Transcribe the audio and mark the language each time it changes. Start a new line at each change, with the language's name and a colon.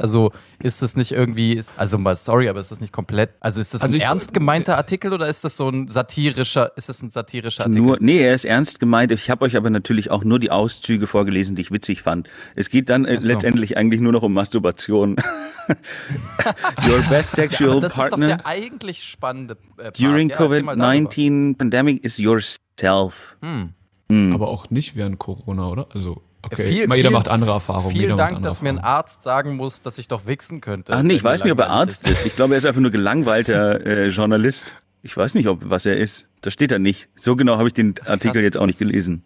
German: Also ist das nicht irgendwie, aber ist das nicht komplett, also ist das ein ernst gemeinter Artikel oder ist das so ein satirischer, Artikel? Er ist ernst gemeint. Ich habe euch aber natürlich auch nur die Auszüge vorgelesen, die ich witzig fand. Es geht dann letztendlich eigentlich nur noch um Masturbation.
English: Your best sexual partner.
German: Das ist doch der eigentlich spannende Part.
English: During COVID-19 pandemic is yourself.
German: Aber auch nicht während Corona, oder? Also okay, jeder macht andere Erfahrungen. Vielen Dank, dass mir ein Arzt sagen muss, dass ich doch wichsen könnte. Ach nee, ich weiß nicht, ob er Arzt ist. Ich glaube, er ist einfach nur gelangweilter Journalist. Ich weiß nicht, was er ist. Das steht da nicht. So genau habe ich den Artikel jetzt auch nicht gelesen.